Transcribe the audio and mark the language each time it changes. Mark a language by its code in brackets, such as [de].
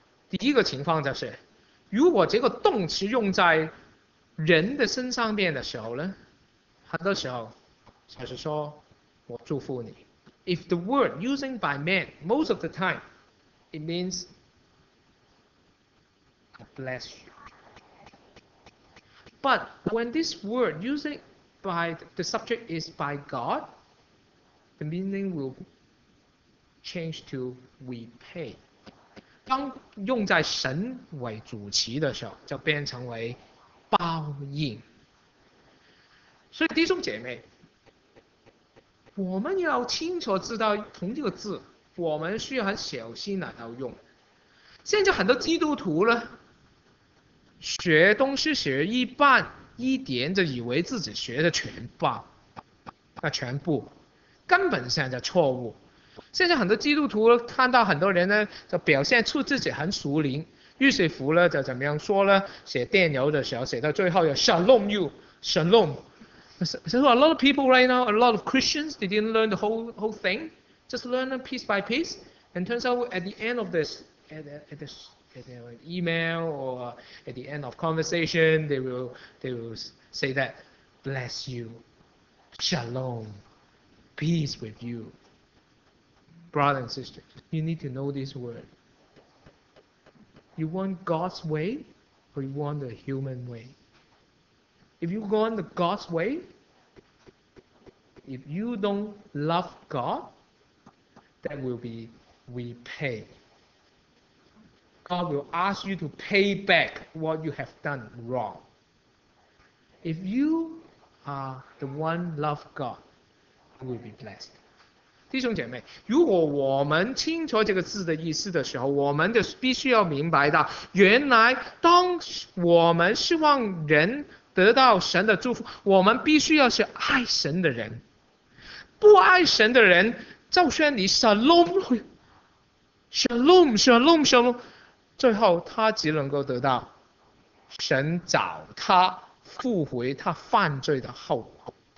[zh] 第一个情况就是，如果这个动词用在人的身上面的时候呢，很多时候就是说我祝福你。 [en] If the word using by man most of the time, it means bless you. But when this word using by the subject is by God, the meaning will change to repay. [zh] 当用在神为主词的时候，就变成为报应。所以弟兄姐妹，我们要清楚知道同这个字，我们需要很小心来用。现在很多基督徒呢，学东西学一半一点，就以为自己学的全棒，那全部根本上就错误。现在很多基督徒看到很多人呢，就表现出自己很属灵，于是乎呢，就怎么样说呢？写电邮的时候，写到最后要 [en] Shalom you Shalom。 So a lot of people right now, a lot of Christians, they didn't learn the whole thing, just learn them piece by piece. And turns out at the end of this, at the email or at the end of conversation, they will say that, bless you, shalom, peace with you. Brother and sister, you need to know this word. You want God's way or you want the human way? If you go on the God's way, if you don't love God, that will be repay. God will ask you to pay back what you have done wrong. If you are the one love God, you will be blessed. [zh] 弟兄姐妹，如果我们清楚这个字的意思的时候，我们就必须要明白到，原来当我们希望人得到神的祝福，我们必须要是爱神的人。不爱神的人，就算你 shalom，shalom，shalom，shalom，最后他只能够得到神找他复回他犯罪的后果。